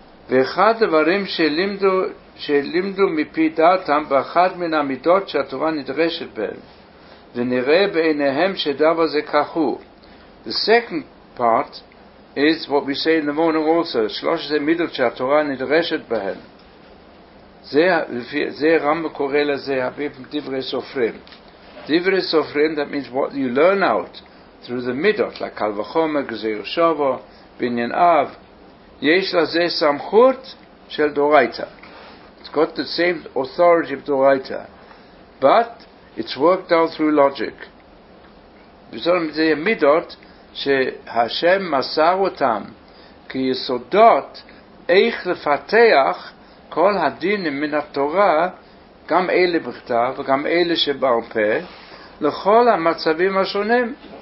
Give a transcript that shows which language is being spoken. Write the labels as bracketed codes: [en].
[he] ואחד הדברים שלימדו מפי דעתם באחד מן המידות שהתורה נדרשת בהם ונראה בעיניהם שדבר זה כך הוא. [en] The second part is what we say in the morning also, [he] שלושת המידות שהתורה נדרשת בהם. זה רמב"ם קורא לזה דברי סופרים. [en] דברי סופרים, that means what you learn out through the midot, like קל וחומר, גזיר שובו, בניין אב. [he] יש לזה סמכות של דורייתא. [en] It's got the same authority of [he] דורייתא. [en] But it's worked out through logic. [he] בסדר, זה המידות שהשם מסר אותם כיסודות איך לפתח כל הדין מן התורה, גם אלה בכתב וגם אלה שבעל פה, לכל המצבים השונים.